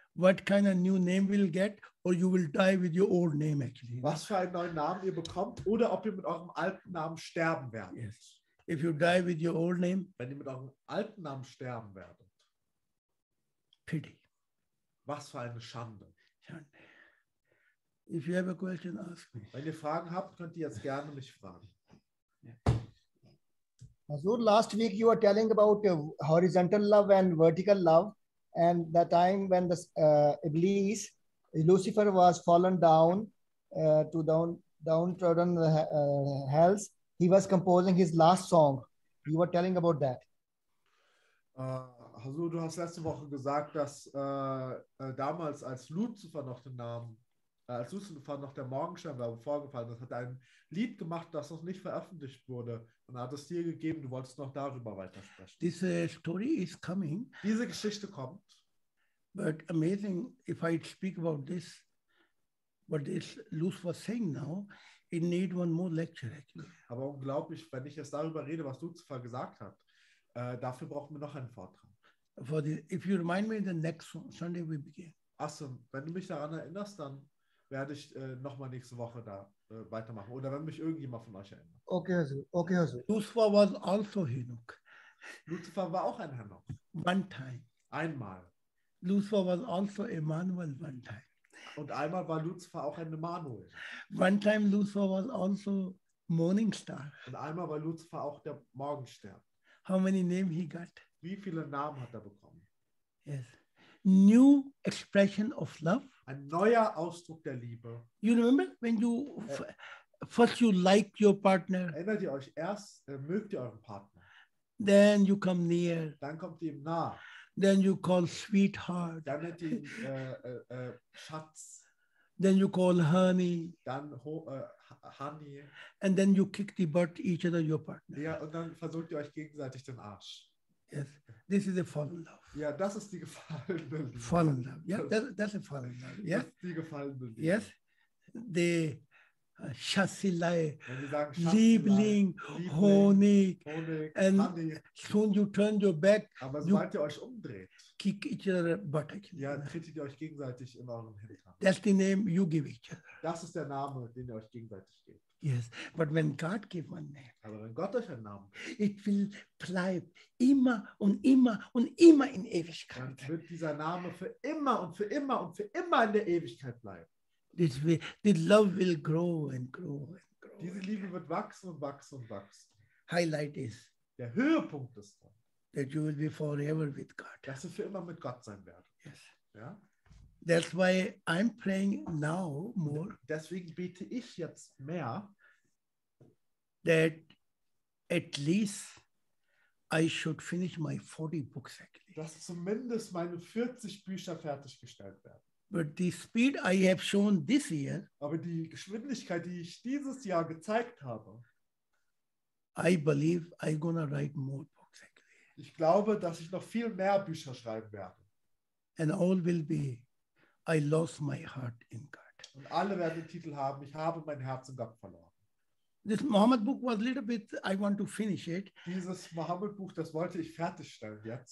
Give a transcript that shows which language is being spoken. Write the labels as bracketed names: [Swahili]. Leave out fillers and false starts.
[English] What kind of new name will get, or you will die with your old name actually. [German] Was für einen neuen Namen ihr bekommt, oder ob ihr mit eurem alten Namen sterben werdet. [English] Yes. If you die with your old name. [German] Wenn ihr mit eurem alten Namen sterben werdet. [English] Pity. [German] Was für eine Schande. [English] If you have a question, ask me. [German] Wenn ihr Fragen habt, könnt ihr jetzt gerne mich fragen. [English] So last week you were telling about horizontal love and vertical love, and the time when the Iblis, Lucifer was fallen down to downtrodden hells, he was composing his last song. You were telling about that. [German] Also du hast letzte Woche gesagt, dass damals als Lucifer noch den Namen, als Lucifer noch der Morgenstern war, vorgefallen, das hat ein Lied gemacht, das noch nicht veröffentlicht wurde. Und hat es dir gegeben, du wolltest noch darüber weitersprechen. [English] This story is coming. [German] Diese Geschichte kommt. [English] But amazing, if I speak about this, what this Lucifer saying now, it need one more lecture actually. [German] Aber unglaublich, wenn ich jetzt darüber rede, was Lucifer gesagt hat, dafür brauchen wir noch einen Vortrag. [English] For the, if you remind me, the next Sunday we begin. Awesome, [German] wenn du mich daran erinnerst, dann werde ich nochmal nächste Woche da weitermachen. Oder wenn mich irgendjemand von euch erinnert. Okay, also. Lucifer war also Henoch. Lucifer war auch ein Henoch. [English] One time. [German] Einmal. Lucifer war also Emmanuel [English] one time. [German] Und einmal war Lucifer auch ein Emmanuel. [English] One time Lucifer [German] war also [English] Morning Star. [German] Und einmal war Lucifer auch der Morgenstern. [English] How many names he got? [German] Wie viele Namen hat er bekommen? [English] Yes. New expression of love. [German] Ein neuer Ausdruck der Liebe. [English] You remember when you first you like your partner. [German] Erinnert ihr euch erst, mögt ihr euren Partner. [English] Then you come near. [German] Dann kommt ihr ihm nah. [English] Then you call sweetheart. [German] Dann nennt ihr ihn Schatz. [English] Then you call honey. [German] Dann honey. [English] And then you kick the butt each other your partner. [German] Ja, und dann versucht ihr euch gegenseitig den Arsch. [English] Yes, this is a fallen love. [German] Ja, das ist die gefallene Liebe. [English] Fallen love. Yeah, that's a fallen love. Yes, [German] das ist die gefallene Liebe. [English] Yes, the Schatzelei, [German] Liebling, Honig, [English] and soon you turn your back. [German] Aber sobald ihr euch umdreht, [English] kick each other butt. [German] Ja, trittet ihr euch gegenseitig in euren Hintern. [English] That's the name you give each other. [German] Das ist der Name, den ihr euch gegenseitig gebt. [English] Yes, but when God gave one name, [German] aber wenn Gott euch einen Namen gibt, [English] it will [German] bleib immer und immer und immer in Ewigkeit. Dann wird dieser Name für immer und für immer und für immer in der Ewigkeit bleiben. [English] The love will grow and grow and grow. [German] Diese Liebe wird wachsen und wachsen und wachsen. [English] Highlight is, [German] der Höhepunkt ist dann, [English] that you will be forever with God. [German] Dass du für immer mit Gott sein werden. [English] Yes. [German] Ja? [English] That's why I'm praying now more. [German] Deswegen bete ich jetzt mehr. [English] That at least I should finish my 40 books actually. [German] Dass zumindest meine 40 Bücher fertiggestellt werden. [English] But the speed I have shown this year. [German] Aber die Geschwindigkeit, die ich dieses Jahr gezeigt habe. [English] I believe I'm gonna write more books actually. [German] Ich glaube, dass ich noch viel mehr Bücher schreiben werde. [English] And all will be. I lost my heart in God. [German] Und alle werden den Titel haben. Ich habe mein Herz in Gott verloren. [English] This Muhammad book was a little bit, I want to finish it. [German] Dieses Muhammad Buch, das wollte ich fertigstellen jetzt.